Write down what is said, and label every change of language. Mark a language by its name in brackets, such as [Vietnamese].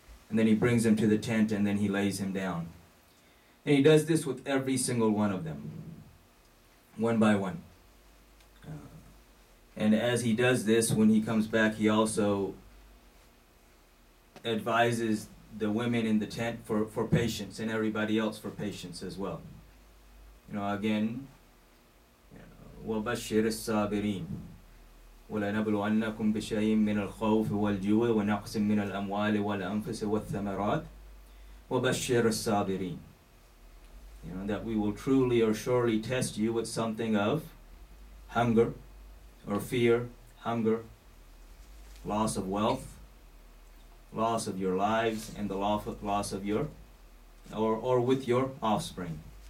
[English] And then he brings him to the tent and then he lays him down. And he does this with every single one of them, one by one. And as he does this, when he comes back, he also advises the women in the tent for patience, and everybody else for patience as well. You know, again, [Arabic] وَبَشِّرِ السَّابِرِينَ وَلَنَبْلُوَنَّكُمْ بِشَيْءٍ مِّنَ الْخَوْفِ وَالْجُوعِ وَنَقْصٍ مِّنَ الْأَمْوَالِ وَالْأَنفُسِ وَالثَّمَرَاتِ وَبَشِّرِ الصَّابِرِينَ. [English] You know, that we will truly or surely test you with something of hunger or fear, hunger, loss of wealth, loss of your lives, and the loss of your, or with your offspring.